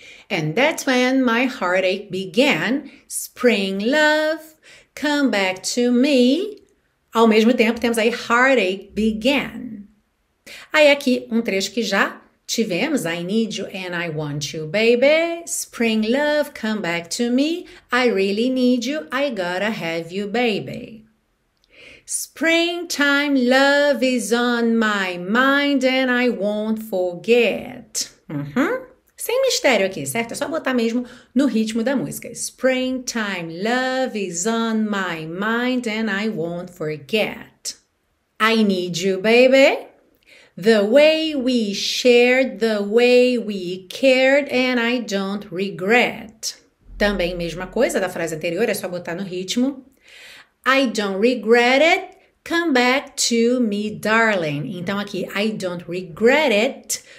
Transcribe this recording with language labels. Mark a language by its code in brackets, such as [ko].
[en] And that's when my heartache began. Spring love, come back to me. [pt] Ao mesmo tempo, temos aí heartache began. Aí aqui, um trecho que já tivemos. [en] I need you and I want you, baby. Spring love, come back to me. I really need you. I gotta have you, baby. Springtime love is on my mind and I won't forget. [pt] Sem mistério aqui, certo? É só botar mesmo no ritmo da música. [en] Springtime love is on my mind and I won't forget. I need you, baby. The way we shared, the way we cared, and I don't regret. [pt] Também mesma coisa da frase anterior, é só botar no ritmo. [en] I don't regret it. Come back to me, darling. [pt] Então aqui, [en] I don't regret it.